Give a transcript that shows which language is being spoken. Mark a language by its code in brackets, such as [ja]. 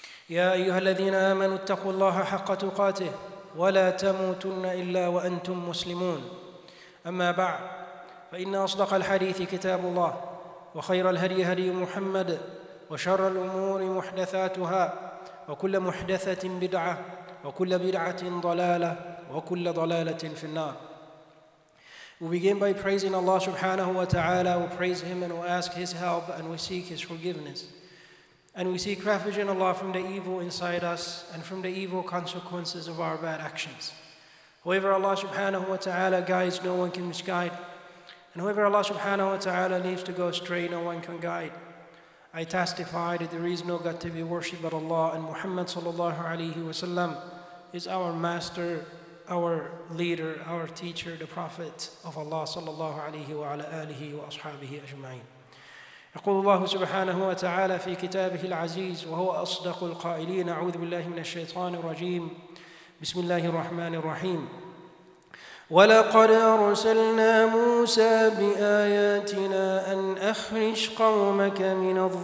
[ar] يا أيها الذين آمنوا اتقوا الله حق تقاته ولا تموتن إلا وأنتم مسلمون أما بعد فإن أصدق الحديث كتاب الله وخير الهدي هدي محمد وشر الأمور محدثاتها وكل محدثة بدعة وكل بدعة ضلالة وكل ضلالة في النار. [en] We begin by praising Allah subhanahu wa ta'ala. We praise Him and we ask His help and we seek His forgiveness. And we seek refuge in Allah from the evil inside us and from the evil consequences of our bad actions. Whoever Allah subhanahu wa ta'ala guides, no one can misguide. And whoever Allah subhanahu wa ta'ala leaves to go astray, no one can guide. I testify that there is no God to be worshipped but Allah, and Muhammad sallallahu alayhi wa sallam is our master, our leader, our teacher, the prophet of Allah sallallahu alayhi wa ala alihi wa ashabihi ajma'in. [ar] يقول الله سبحانه وتعالى في كتابه العزيز وهو أصدق القائلين أعوذ بالله من الشيطان الرجيم بسم الله الرحمن الرحيم وَلَقَدْ أَرْسَلْنَا مُوسَى بِآيَاتِنَا أَنْ أَخْرِجْ قَوْمَكَ مِنَ